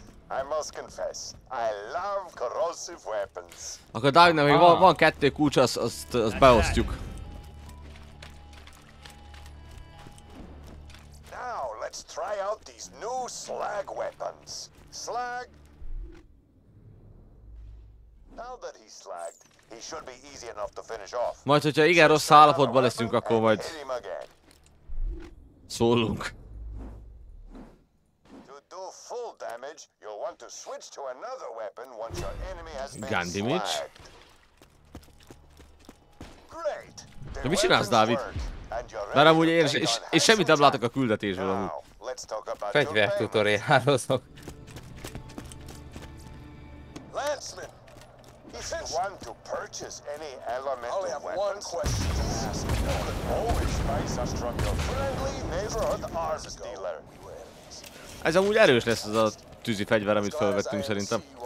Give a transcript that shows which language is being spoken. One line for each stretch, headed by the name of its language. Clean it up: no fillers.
English: I must confess, I love corrosive weapons.
Hungarian: Akkor Dávidnak még van 2 kulcs, azt beosztjuk.
English: Now let's try out these new slag weapons. Slag. Now that he's slagged, he should be easy enough to finish off.
Hungarian: Majd hogyha igen rossz állapotban leszünk, akkor majd szólunk.
English: Full damage, you'll want to switch to another weapon once your enemy has been slagged. Gandimage.
Hungarian: Great! De mit csinálsz, Dávid? Mert amúgy én és semmit nem látok a küldetésből amúgy. Fegyvertutoriálozok.
English: Lanceman! He said want to purchase any elemental weapons. I only have one question to ask. You could always buy some from your friendly neighborhood arms dealer.
Hungarian: Ez amúgy erős lesz az a tűzi fegyver, amit felvettünk szerintem.